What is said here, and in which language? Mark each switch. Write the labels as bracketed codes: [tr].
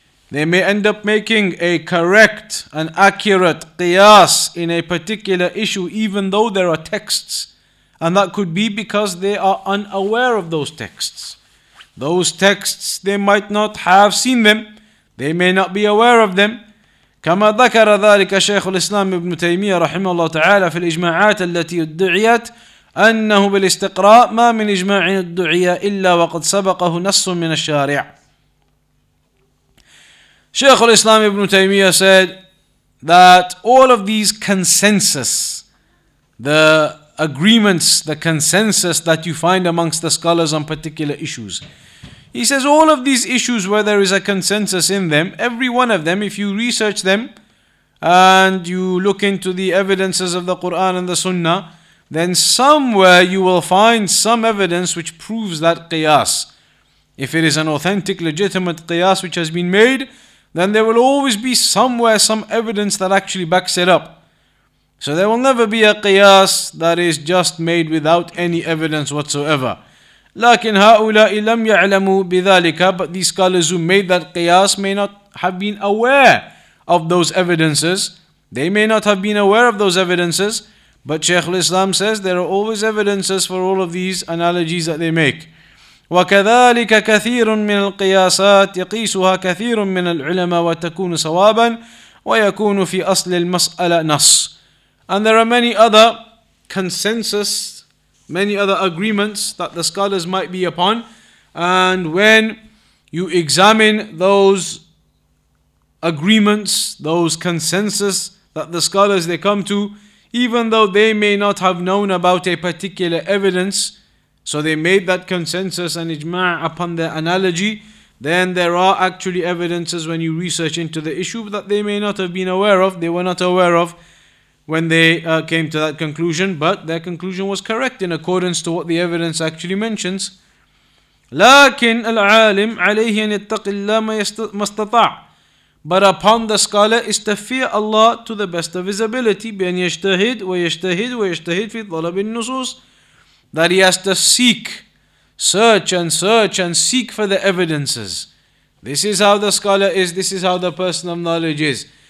[en] They may end up making a correct and accurate qiyas in a particular issue, even though there are texts. And that could be because they are unaware of those texts. Those texts, they might not have seen them. They may not be aware of them. [ar] كما ذكر ذلك شيخ الإسلام ابن تيمية رحمه الله تعالى في الإجماعات التي ادعيت أنه بالاستقراء ما من إجماع ادعي إلا وقد سبقه نص من الشارع. [en] Shaykh al-Islam ibn Taymiyyah said that all of these consensus, the agreements, the consensus that you find amongst the scholars on particular issues. He says all of these issues where there is a consensus in them, every one of them, if you research them and you look into the evidences of the Quran and the Sunnah, then somewhere you will find some evidence which proves that qiyas. If it is an authentic, legitimate qiyas which has been made, then there will always be somewhere some evidence that actually backs it up. So there will never be a qiyas that is just made without any evidence whatsoever. [ar] لكن هؤلاء لم يعلموا بذلك. [en] But these scholars who made that qiyas may not have been aware of those evidences. They may not have been aware of those evidences. But Shaykh al-Islam says there are always evidences for all of these analogies that they make. [ar] وكذلك كثير من القياسات يقيسها كثير من العلماء وتكون صوابا ويكون في أصل المسألة نص. [en] And there are many other consensus, many other agreements that the scholars might be upon, and when you examine those agreements, those consensus that the scholars they come to, even though they may not have known about a particular evidence, so they made that consensus and ijma' upon their analogy, then there are actually evidences when you research into the issue that they may not have been aware of, they were not aware of when they came to that conclusion, but their conclusion was correct in accordance to what the evidence actually mentions. [ar] لكن العالم عليه أن يتقي الله ما استطاع. [en] But upon the scholar is to fear Allah to the best of his ability. [ar] بِأَنْ يَشْتَهِدْ وَيَشْتَهِدْ وَيَشْتَهِدْ فِي طَلَبِ النُّصُوصِ. [en] That he has to seek, search and search and seek for the evidences. This is how the scholar is, this is how the person of knowledge is.